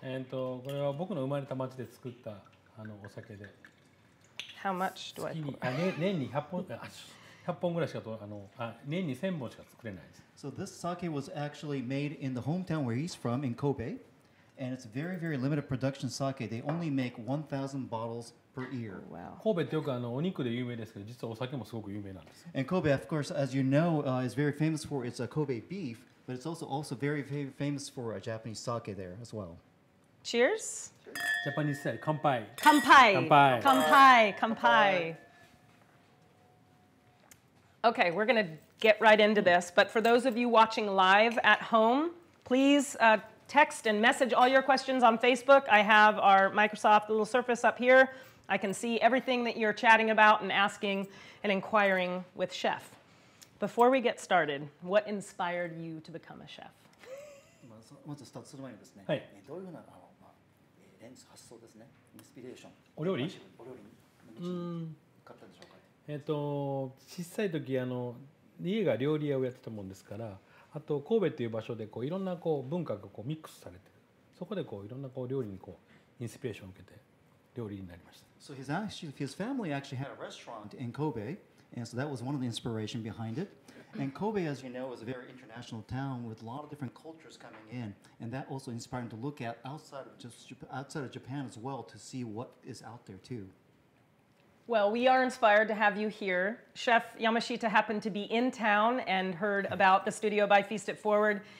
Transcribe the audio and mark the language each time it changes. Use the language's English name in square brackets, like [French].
[Japanese] これは僕の生まれた町で作ったお酒で。 [English] How much do I pour? [Japanese] 年に100本ぐらいしか年に1000本しか作れないです。 [English] So this sake was actually made in the hometown where he's from in Kobe, and it's very, very limited production sake. They only make 1,000 bottles per year. [Japanese] Oh, wow. 神戸ってよくお肉で有名ですけど、実はお酒もすごく有名なんです。 [English] And Kobe, of course, as you know, is very famous for its Kobe beef. But it's also very, very famous for a Japanese sake there as well. Cheers. Japanese sake, kanpai. [Japanese] Kanpai. Kanpai. Kanpai. [English] Okay, we're going to get right into this. But for those of you watching live at home, please text and message all your questions on Facebook. I have our Microsoft little Surface up here. I can see everything that you're chatting about and asking and inquiring with Chef. Before we get started, what inspired you to become a chef? [Japanese] まず、スタートする前にですね、どういうふうな発想ですね、インスピレーション。お料理？お料理に買ったんでしょうか？小さい時、家が料理屋をやってたもんですから、あと神戸という場所でいろんな文化がミックスされてる。そこでいろんな料理にインスピレーションを受けて料理になりました。 [English] So his family actually had a restaurant in Kobe. And so that was one of the inspiration behind it. And Kobe, as you know, is a very international town with a lot of different cultures coming in. And that also inspired him to look at outside of Japan as well to see what is out there too. Well, we are inspired to have you here. Chef Yamashita happened to be in town and heard about the studio by Feast It Forward.